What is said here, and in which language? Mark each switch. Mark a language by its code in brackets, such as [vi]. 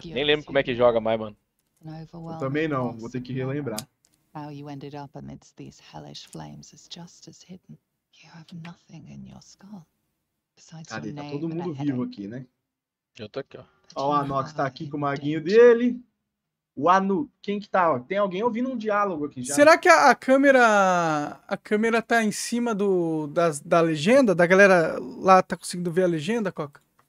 [pt] Nem lembro como é que joga mais, mano. Eu também não, vou ter que relembrar. [en] How you ended up amidst these hellish flames is just as hidden. You have nothing in your skull. Besides your name. [pt] Cadê? Tá todo mundo vivo aqui, né? Eu tô aqui, ó. Ó, o Anox tá aqui com o maguinho dele. O Anu, quem que tá? Tem alguém ouvindo um diálogo aqui já. Será que a câmera tá em cima da legenda? Da galera lá tá conseguindo ver a legenda, Coca?